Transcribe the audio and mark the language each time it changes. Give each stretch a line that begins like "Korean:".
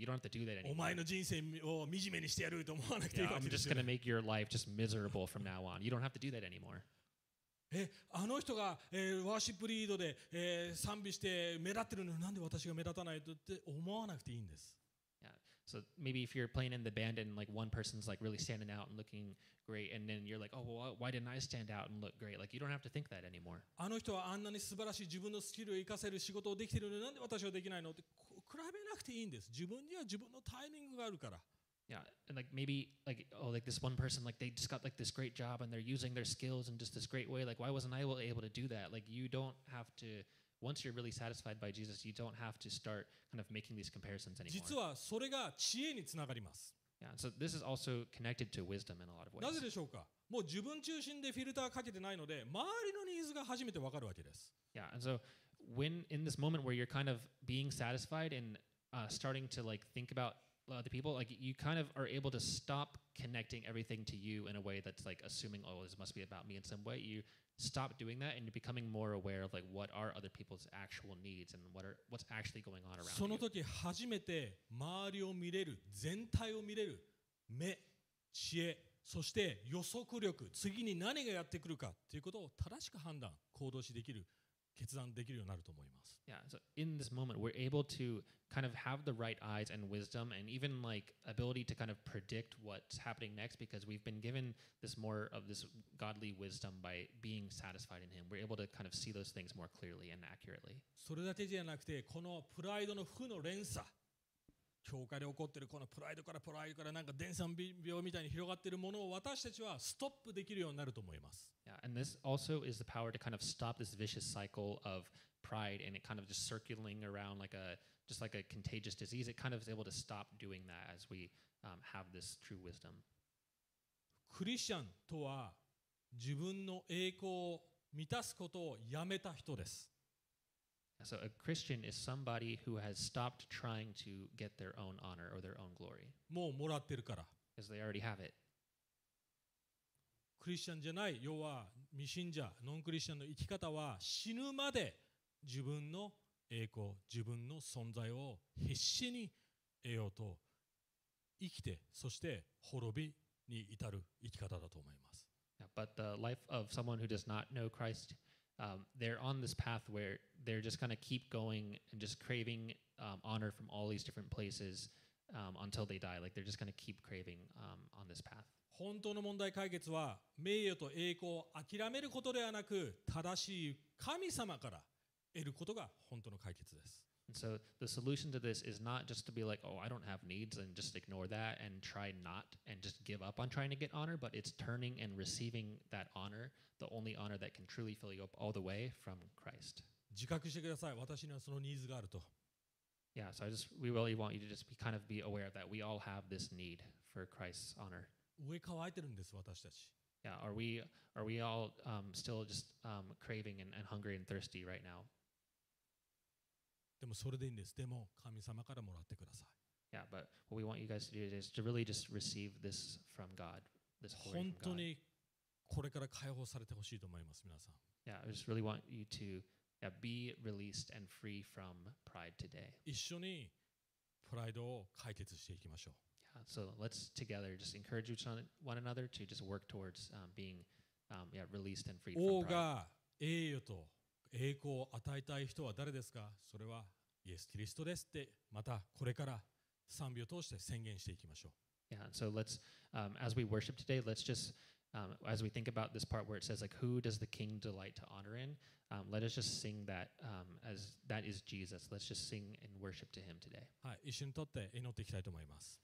English: You don't have to do that anymore.
Japanese: お前の人生を惨めにしてやると思わなくていいわけですよ。
English: I'm just going to make your life just miserable from now on. You don't have to do that anymore.
Japanese: え、あの人が、ワーシップリードで、賛美して目立ってるのになんで私が目立たないとって思わなくていいんです。
English: So maybe if you're playing in the band and like one person's like really standing out and looking great and then you're like, oh, well, why didn't I stand out and look great? Like you don't have to think that anymore.
Japanese: あの人はあんなに素晴らしい自分のスキルを活かせる仕事をできてるのになんで私はできないのって比べなくていいんです。自分には自分のタイミングがあるから。
English: Yeah, and like maybe like, oh, like this one person, like they just got like this great job and they're using their skills in just this great way. Like why wasn't I able to do that? Like you don't have to... Once you're really satisfied by Jesus, you don't have to start kind of making these comparisons anymore.
Japanese: 実はそれが知恵につながります。
English: Yeah, so this is also connected to wisdom in a lot of ways.
Japanese: なぜでしょうか？もう自分中心でフィルターかけてないので、周りのニーズが初めてわかるわけです。
English: Yeah, and so when in this moment where you're kind of being satisfied and starting to like think about other people, like you kind of are able to stop connecting everything to you in a way that's like assuming, oh, this must be about me in some way. You stop doing that and you're becoming more aware of like what are other people's actual needs and what's actually going on around
Japanese: その時初めて周りを見れる全体を見れる目知恵そして予測力次に何がやってくるかということを正しく判断行動しできる決断できるようになると思います
English: Yeah, so in this moment we're able to kind of have the right eyes and wisdom and even like ability to kind of predict what's happening next because we've been given this more of this godly wisdom by being satisfied in him. We're able to kind of see those things more clearly and accurately.
Japanese: それだけじゃなくてこのプライドの負の連鎖教会で起こってるこのプライドからなんか伝染病みたいに広がってるものを私たちはストップできるようになると思います。
English: Yeah, and this also is the power to kind of stop this vicious cycle of pride and it kind of just circling around like a just like a contagious disease. It kind of is able to stop doing that as we have this true wisdom.
Japanese: クリスチャンとは自分の栄光を満たすことをやめた人です。
English: So a Christian is somebody who has stopped trying to get their own honor or their own glory.
Japanese: もうもらってるから。
English: Because they already have it.
Japanese: クリスチャンじゃない、要は未信者、ノンクリスチャンの生き方は死ぬまで自分の栄光、自分の存在を必死に得ようと生きて、そして滅びに至る生き方だと思います。
English: Yeah, but the life of someone who does not know Christ... they're on this path where they're just kind of keep going and just craving honor from all these different places until they die. Like they're just going to keep craving on this path.
Japanese: 本当の問題解決は名誉と栄光を諦めることではなく正しい神様から得ることが本当の解決です。
English: So the solution to this is not just to be like, oh, I don't have needs and just ignore that and try not and just give up on trying to get honor, but it's turning and receiving that honor, the only honor that can truly fill you up all the way from Christ.
Japanese: 自覚してください。私にはそのニーズがあると。
English: Yeah, so I just, we really want you to just be kind of be aware of that. We all have this need for Christ's honor.
Japanese: 上乾いてるんです、私たち。
English: Yeah, are we all still just craving and hungry and thirsty right now?
Japanese: でもそれでいいんです。でも神様からもらってください。
English: Yeah, but what we want you guys to do is to really just receive this from God, this glory from God.
Japanese: 本当にこれから解放されてほしいと思います、皆さん。
English: Yeah, I just really want you to be released and free from pride today.
Japanese: 一緒にプライドを解決していきましょう。
English: Yeah, so let's together just encourage one another to just work towards being released and free from pride.
Japanese: 王が栄誉と栄光を与えたい人は誰ですか？それはイエス・キリストですってまたこれから賛美を通して宣言していきましょう。
English: Yeah, so let's, as we worship today, let's just, as we think about this part where it says, like, who does the king delight to honor in, let us just sing that, as that is Jesus. Let's just sing and worship to him today.
Japanese: はい、一緒に立って祈っていきたいと思います。